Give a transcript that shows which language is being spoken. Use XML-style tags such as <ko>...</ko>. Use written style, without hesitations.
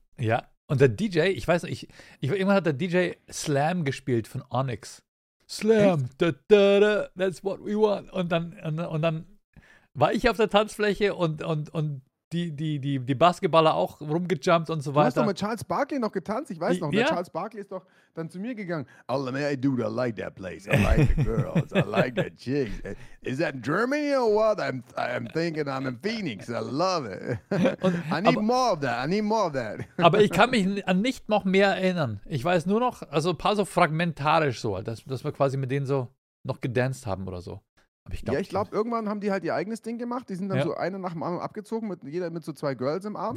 <de>Ja, und der DJ, ich weiß nicht, irgendwann hat der DJ Slam gespielt von Onyx. Slam, da,</de> <en>that's what we want.</en> <de>Und dann war ich auf der Tanzfläche und die Basketballer auch rumgejumpt und so weiter. Du hast doch mit Charles Barkley noch getanzt, ich weiß noch. Ja? Der Charles Barkley ist doch dann zu mir gegangen.</de> <en>Oh, man, dude, I like that place. I like the girls. I like the chicks. Is that Germany or what? I'm thinking I'm in Phoenix. I love it. I need more of that.</en> <de>Aber ich kann mich an nicht noch mehr erinnern. Ich weiß nur noch, also ein paar so fragmentarisch so, dass wir quasi mit denen so noch gedanced haben oder so. Aber ich glaub, irgendwann haben die halt ihr eigenes Ding gemacht. Die sind dann so eine nach dem anderen abgezogen, mit jeder mit so zwei Girls im Arm.</de>